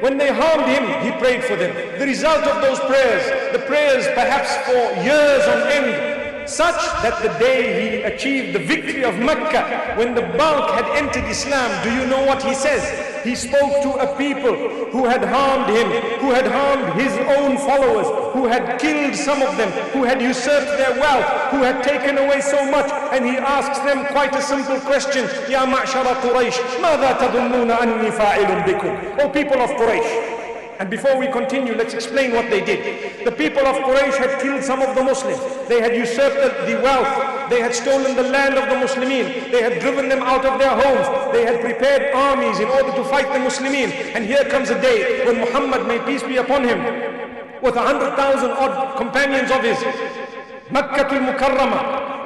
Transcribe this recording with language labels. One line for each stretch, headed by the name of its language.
English: When they harmed him, he prayed for them. The result of those prayers, the prayers perhaps for years on end, such that the day he achieved the victory of Mecca, when the bulk had entered Islam, do you know what he says? He spoke to a people who had harmed him, who had harmed his own followers, who had killed some of them, who had usurped their wealth, who had taken away so much, and he asks them quite a simple question.
Arabic: Ya ma'shara Quraysh, ماذا تظنون أني فاعل بكم?
English: O people of Quraysh. And before we continue, let's explain what they did. The people of Quraysh had killed some of the Muslims. They had usurped the wealth. They had stolen the land of the Muslimin. They had driven them out of their homes. They had prepared armies in order to fight the Muslimin. And here comes a day when Muhammad, may peace be upon him, with 100,000 odd companions of his, Makkatul Mukarrama.